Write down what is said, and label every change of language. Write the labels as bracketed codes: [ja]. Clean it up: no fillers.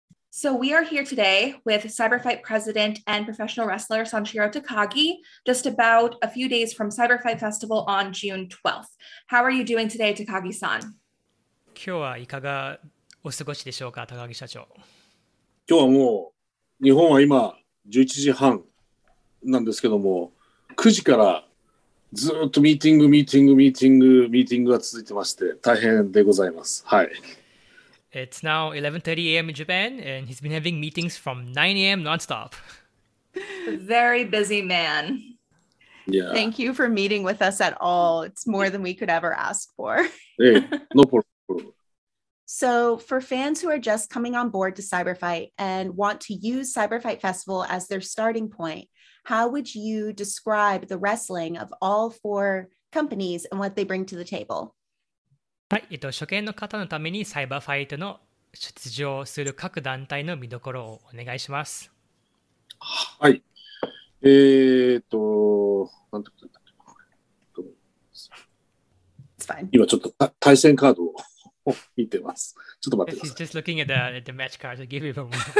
[en] So we are here today with Cyberfight president and professional wrestler Sanshiro Takagi, just about a few days from Cyberfight Festival on June 12th. How are you doing today, Takagi-san? [ja] 今日はいかがお過ごしでしょうか、高木社長。今日はもう日本は今11時半なんですけども、9時からずっとミーティング、ミーティング、ミーティング、ミーティングが続いてまして大変でございます。はい。 [en] It's now 11:30 a.m. in Japan, and he's been having meetings from 9 a.m. nonstop. Very busy man. Yeah. Thank you for meeting with us at all. It's more than we could ever ask for. Hey, no problem. So for fans who are just coming on board to Cyberfight and want to use Cyberfight Festival as their starting point, how would you describe the wrestling of all four companies and what they bring to the table? [ja] はい、初見の方のためにサイバーファイトの出場する各団体の見どころをお願いします。はい、なんて言ったの、今ちょっと対戦カードを見てます。ちょっと待ってください。 [en] He's just looking at the match card to give him